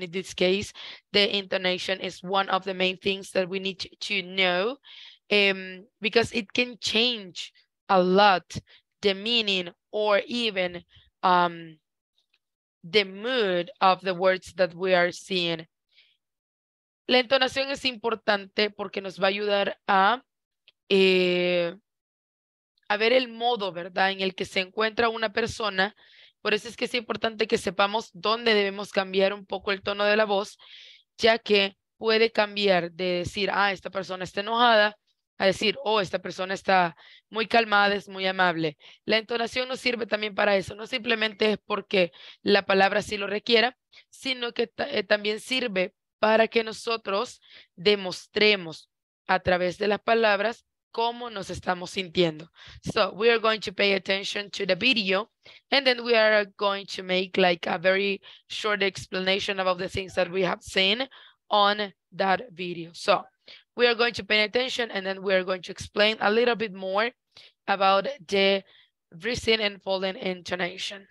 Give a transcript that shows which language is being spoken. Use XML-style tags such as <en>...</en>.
<en>And in this case, the intonation is one of the main things that we need to know, because it can change a lot the meaning or even the mood of the words that we are seeing.</en> <es>La entonación es importante porque nos va a ayudar a ver el modo, ¿verdad?, en el que se encuentra una persona. Por eso es que es importante que sepamos dónde debemos cambiar un poco el tono de la voz, ya que puede cambiar de decir, ah, esta persona está enojada, a decir, oh, esta persona está muy calmada, es muy amable. La entonación nos sirve también para eso, no simplemente es porque la palabra sí lo requiera, sino que también sirve para que nosotros demostremos a través de las palabras cómo nos estamos sintiendo.</es> <en>So, we are going to pay attention to the video and then we are going to make like a very short explanation about the things that we have seen on that video. So, we are going to pay attention and then we are going to explain a little bit more about the rising and falling intonation.</en>